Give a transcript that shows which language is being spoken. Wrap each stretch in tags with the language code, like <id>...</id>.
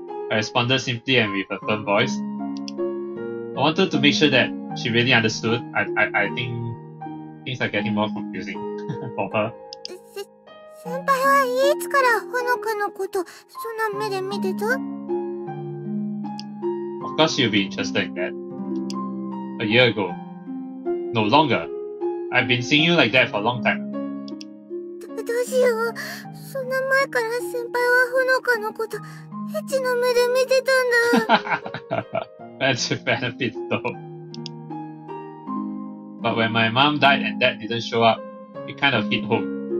<en>I responded simply and with a firm voice. I wanted to make sure that she really understood. I think things are getting more confusing for her.</en> <ja>先輩はいつからほのかのことそんな目で見てた？</ja> <en>Of course you'll be interested in that. A year ago. No longer. I've been seeing you like that for a long time.</en> <ja>どうしよう。そんな前から先輩はほのかのことエッチの目で見てたんだ。</ja> <en>That's a benefit though. But when my mom died and dad didn't show up, it kind of hit home.</en>